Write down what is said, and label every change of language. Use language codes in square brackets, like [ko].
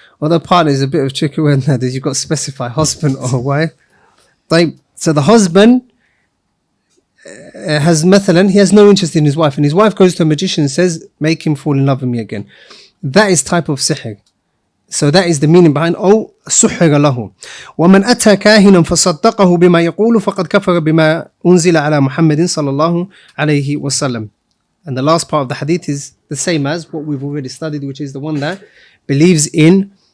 [en] Well, the partner is a bit of a tricky word there. You've got to specify husband or wife. طيب, so the husband has مثلاً, he has no interest in his wife. And his wife goes to a magician and says, make him fall in love with me again. That is type of sihr. So that is the meaning behind, oh, [ar] سحر له. ومن أتى كاهنا فصدقه بما يقول فقد كفر بما أنزل على محمد صلى الله عليه وسلم. [en] And the last part of the hadith is the same as what we've already studied, which is the one that believes in